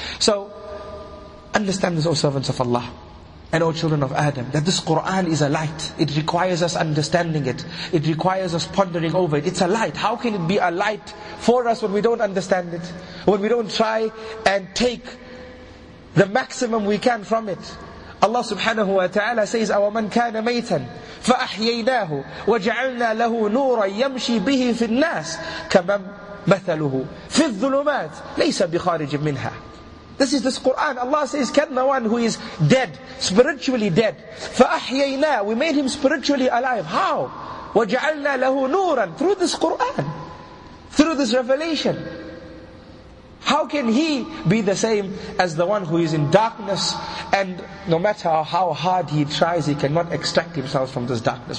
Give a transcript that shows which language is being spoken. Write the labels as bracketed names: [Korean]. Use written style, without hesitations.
[English] So, understand this, O servants of Allah, and O children of Adam, that this Qur'an is a light. It requires us understanding it. It requires us pondering over it. It's a light. How can it be a light for us when we don't understand it? When we don't try and take the maximum we can from it? Allah subhanahu wa ta'ala says, [Arabic] أَوَمَنْ كَانَ مَيْتًا فَأَحْيَيْنَاهُ وَجَعَلْنَا لَهُ نُورًا يَمْشِي بِهِ فِي النَّاسِ كَمَمْ مَثَلُهُ فِي الظُّلُمَاتِ لَيْسَ بِخَارِجٍ مِّنْهَا. [English] This is this Qur'an. Allah says, can the one who is dead, spiritually dead, فَأَحْيَيْنَا, we made him spiritually alive. How? [Arabic] وَجَعَلْنَا لَهُ نُورًا, [English] through this Qur'an, through this revelation. How can he be the same as the one who is in darkness, and no matter how hard he tries, he cannot extract himself from this darkness?